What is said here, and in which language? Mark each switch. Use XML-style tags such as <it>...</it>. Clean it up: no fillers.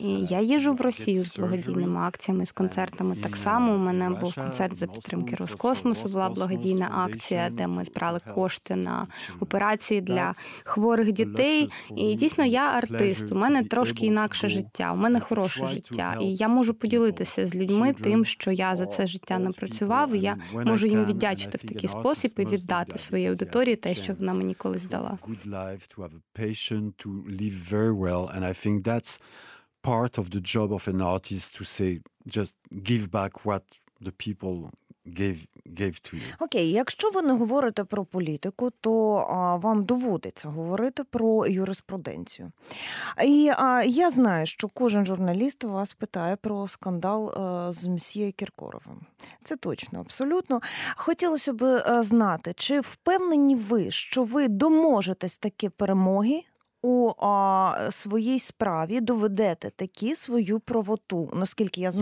<uk>І я їжу в Росію з благодійними акціями, з концертами так само. У мене був концерт за підтримки Роскосмосу, була благодійна акція, де ми збирали кошти на операції для хворих дітей. І дійсно, я артист. У мене трошки інакше життя. У мене хороше життя. І я можу поділитися з людьми тим, що я за це життя напрацював. І я можу їм віддячити в такий спосіб і віддати своїй аудиторії те, що вона мені колись дала.</uk> <en>Good life to have a patient to live very well, and I think that's part of the job of an artist, to say just give back what the people gave to you.</en> <uk>Окей, якщо ви не говорите про політику, то вам доводиться говорити про юриспруденцію. І я знаю, що кожен журналіст вас питає про скандал з мсьє Кіркоровим. Це точно, абсолютно. Хотілося б знати, чи впевнені ви, що ви доможетесь такі перемоги у своїй справі, доведете таки свою правоту, наскільки я знаю.</uk>